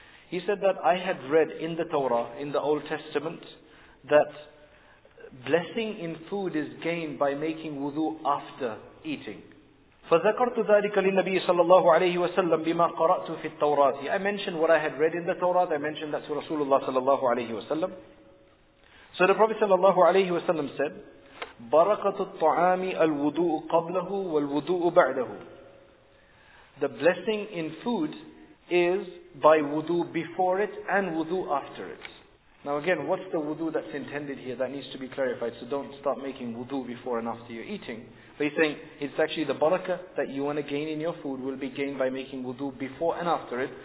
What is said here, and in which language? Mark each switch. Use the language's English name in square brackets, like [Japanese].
[English] He said that I had read in the Torah, in the Old Testament, that blessing in food is gained by making wudu after eating. [Arabic] فَذَكَرْتُ ذَٰلِكَ لِلنَّبِيِّ صَلَّى اللَّهُ عَلَيْهِ وَسَلَّمْ بِمَا قَرَأْتُ فِي التَّوْرَاتِ. [English] I mentioned what I had read in the Torah. I mentioned that to Rasulullah صلى الله عليه وسلم. So the Prophet صلى الله عليه وسلم said, [Arabic] بَرَكَةُ الطَّعَامِ الْوُضُوءُ قَبْلَهُ وَالْوُضُوءُ بَعْدَهُ. [English] The blessing in food is by wudu before it and wudu after it. Now again, what's the wudu that's intended here that needs to be clarified? So don't start making wudu before and after you're eating. But he's saying it's actually the barakah that you want to gain in your food will be gained by making wudu before and after it.